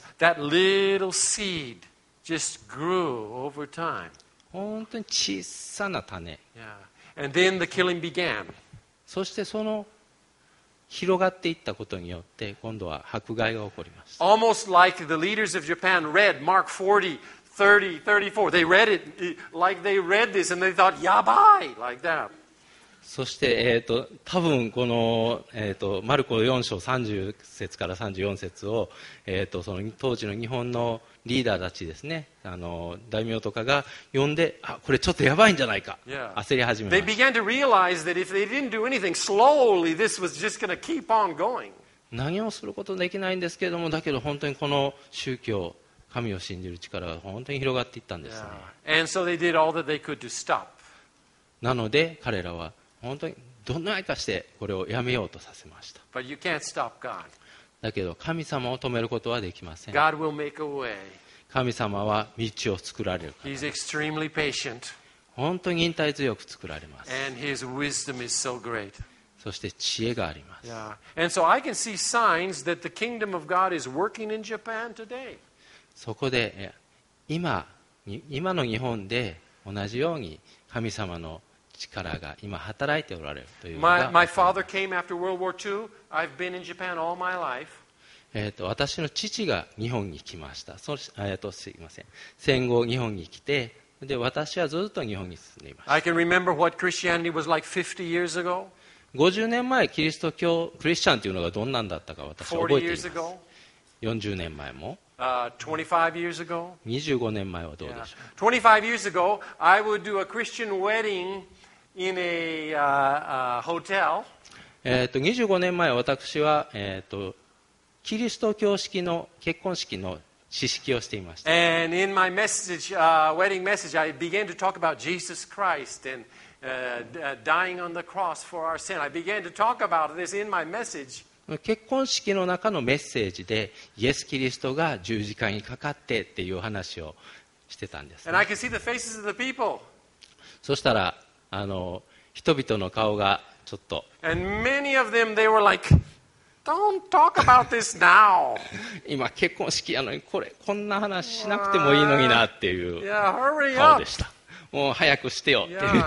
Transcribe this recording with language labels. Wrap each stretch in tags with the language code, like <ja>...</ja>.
<en>That little seed just grew over time.</en> <ja>本当に小さな種。</ja> <en>And then the killing began.</en> <ja>そしてその広がっていったことによって今度は迫害が起こりました。</ja> <en>Almost like the leaders of Japan read Mark 40, 30, 34. They read it like they read this and they thought,</en> <ja>やばい</ja> <en>like that.</en> <ja>そして、多分この、マルコ4章30節から34節を、その当時の日本のリーダーたちですね、大名とかが呼んで、あ、これちょっとやばいんじゃないか、 yeah. 焦り始めました。</ja> <en>They began to realize that if they didn't do anything, slowly this was just going to keep on going.</en> <ja>何もすることできないんですけれども、だけど本当にこの宗教、神を信じる力が本当に広がっていったんですね。 Yeah.</ja> <en>And so they did all that they could to stop.</en> <ja>なので彼らは本当にどのようにかしてこれをやめようとさせました。</ja> <en>But you can't stop God.</en> <ja>だけど神様を止めることはできません。</ja> <en>God will make a way.</en> <ja>神様は道を作られるから。</ja> <en>He's extremely patient.</en> <ja>本当に忍耐強く作られます。</ja> <en>And his wisdom is so great.</en> <ja>そして知恵があります。 yeah.</ja> <en>And so I can see signs that the kingdom of God is working in Japan today.</en> <ja>そこで今の日本で同じように神様の力が今働いておられるというのが。</ja> <en>My father came after World War II. I've been in Japan all my life.</en> <ja>私の父が日本に来ました。すいません。戦後日本に来て、で私はずっと日本に住んでいました。</ja> <en>I can remember what Christianity was like 50 years ago.</en> <ja>50年前キリスト教クリスチャンというのがどんなんだったか私は覚えています。</ja> <en>40 years ago.</en> <ja>40年前も。</ja> <en>25 years ago.</en> <ja>25年前はどうでしょう。 Yeah.</ja> <en>25 years ago, I would do a Christian wedding. In a, hotel.</en> <ja>25年前私は、キリスト教式の結婚式の詩式をしていました。</ja> <en>And in my message, wedding message, I began to talk about Jesus Christ and, dying on the cross for our sin. I began to talk about this in my message.</en> <ja>結婚式の中のメッセージでイエス・キリストが十字架にかかってっていう話をしてたんです、</ja> <en>ね、And I could see the faces of the people.</en> <ja>そしたら人々の顔がちょっと。</ja> <en>And many of them, they were like, "Don't talk about this now."</en> <ja>今結婚式やのに、こんな話しなくてもいいのになっていう顔でした。もう早くしてよっていう。</ja>